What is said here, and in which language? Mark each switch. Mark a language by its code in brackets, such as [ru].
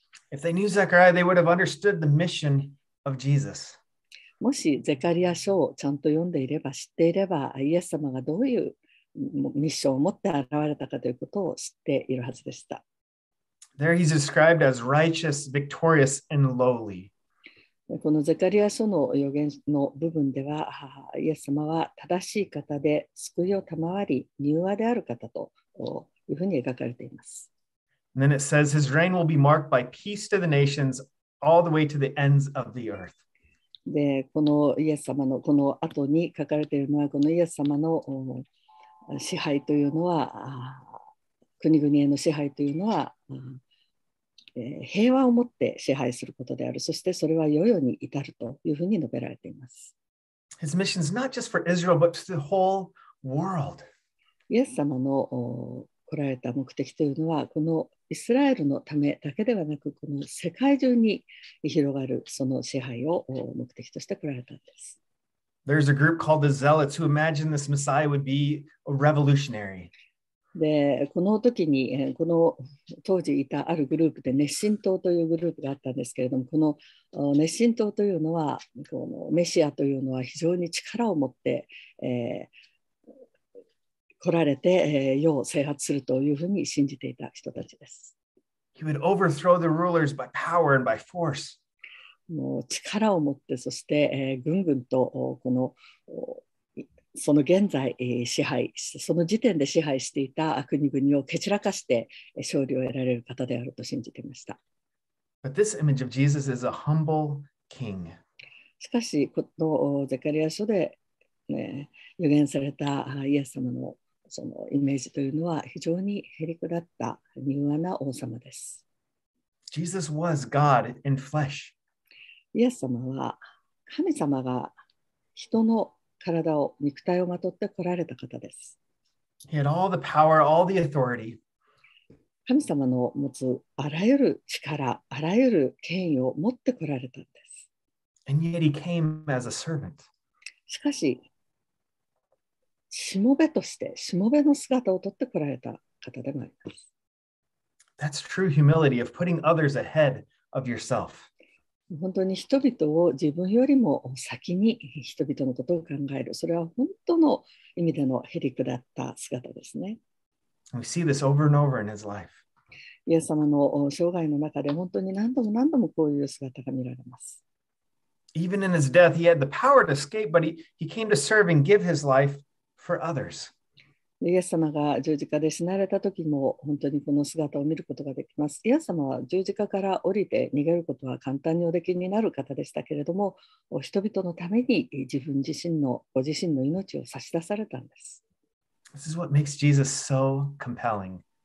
[en] If they knew Zechariah, they would have understood the mission of Jesus. [ja] もしゼカリア書をちゃんと読んでいれば、知っていれば、イエス様がどういうミッションを持って現れたかということを知っているはずでした。 [en] There he's described as righteous, victorious, and lowly. [ja] このゼカリア書の予言の部分では、イエス様は正しい方で救いを賜り、柔和である方というふうに描かれています。 [en] And then it says, his reign will be marked by peace to the nations all the way to the ends of the earth. [ja] で、このイエス様のこの後に書かれているのは、このイエス様の支配というのは、国々への支配というのは、平和をもって支配することである。そしてそれは世々に至るというふうに述べられています。 [en] His mission is not just for Israel, but to the whole world. [ja] イエス様の来られた目的というのは、このイスラエルのためだけではなく、この世界中に広がるその支配を目的として来られたんです。 [en] There's a group called the Zealots who imagine this Messiah would be a revolutionary. [ja] で、この時に、この当時いたあるグループで、熱心党というグループがあったんですけれども、この熱心党というのは、このメシアというのは非常に力を持って、来られて、世を制圧するというふうに信じていた人たちです。 [en] He would overthrow the rulers by power and by force. [ja] もう力を持って、そして、ぐんぐんとこのその現在、支配その時点で支配していた国々を蹴散らかして勝利を得られる方であると信じていました。 [en] But this image of Jesus is a humble king. [ja] しかし、このゼカリア書で、予言されたイエス様のそのイメージというのは非常にへりくだった柔和な王様です。 [en] Jesus was God in flesh. [ja] イエス様は神様が人の体を肉体をまとって来られた方です。 [en] He had all the power, all the authority. [ja] 神様の持つあらゆる力、あらゆる権威を持って来られたんです。 [en] And yet he came as a servant. [ja] しかし、しもべとして、しもべの姿をとって来られた方でもあります。 [en] That's true humility of putting others ahead of yourself. [ja] 本当に人々を自分よりも先に人々のことを考える。それは本当の意味でのへりくだった姿ですね。 [en] We see this over and over in his life. [ja] イエス様の生涯の中で本当に何度も何度もこういう姿が見られます。 [en] Even in his death, he had the power to escape, but he came to serve and give his life for others. [ja] イエス様が十字架で死なれた時も本当にこの姿を見ることができます。イエス様は十字架から降りて逃げることは簡単におできになる方でしたけれども、人々のために自分自身のご自身の命を差し出されたんです。 [en] This is what makes Jesus so compelling.